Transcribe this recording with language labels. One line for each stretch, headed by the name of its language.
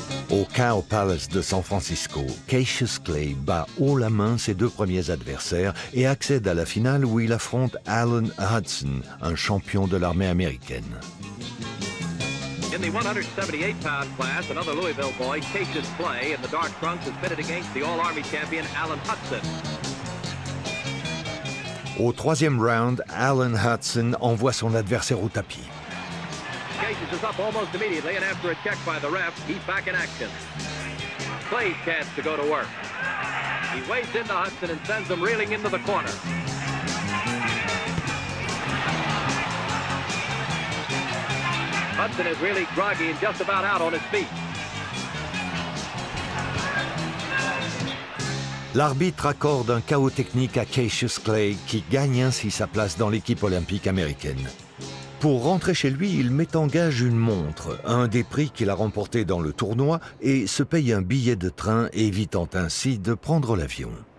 French: Au Cow Palace de San Francisco, Cassius Clay bat haut la main ses deux premiers adversaires et accède à la finale où il affronte Alan Hudson, un champion de l'armée américaine.
English: In the 178-pound class, another Louisville boy, Cassius Clay, in the dark trunks, is pitted against the All-Army champion, Alan Hudson.
French: Au troisième round, Alan Hudson envoie son adversaire au tapis.
English: Cassius is up almost immediately, and after a check by the ref, he's back in action. Clay's chance to go to work. He wades into Hudson and sends him reeling into the corner. Hudson is really groggy and just about out on his feet.
French: L'arbitre accorde un chaos technique à Cassius Clay, qui gagne ainsi sa place dans l'équipe olympique américaine. Pour rentrer chez lui, il met en gage une montre, un des prix qu'il a remporté dans le tournoi, et se paye un billet de train, évitant ainsi de prendre l'avion.